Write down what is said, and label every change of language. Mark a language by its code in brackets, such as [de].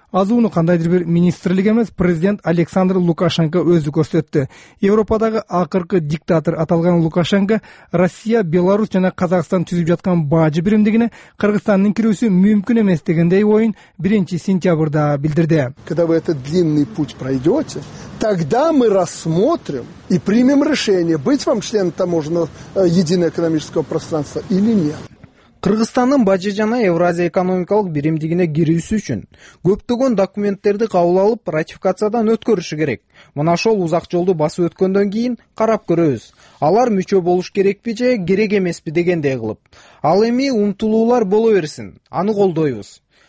[ky] Азууну кандайдыр бир министрлик эмес, президент Александр Лукашенко өзү көрсөттү. Европадагы акыркы диктатор аталган Лукашенко Россия, Беларусь жана Казакстан түзүп жаткан бажы биримдигине Кыргызстандын кирүүсү мүмкүн эмес дегендей оюн 1 сентябрда билдирди. [ru] Когда вы этот длинный путь пройдете, тогда мы рассмотрим и примем решение, быть вам членом таможенного единого экономического пространства или нет. [ky] Кыргызстандын бажы жана Евразия экономикалык биримдигине кирүүсү үчүн көптөгөн документтерди кабыл алып, ратификациядан өткөрүшү керек. Мына ошол узак жолду басып өткөндөн кийин карап көрөбүз. Алар мүчө болуш керекпи же керек эмеспи дегендей кылып. Ал эми умтулуулар боло берсин, аны колдойбуз.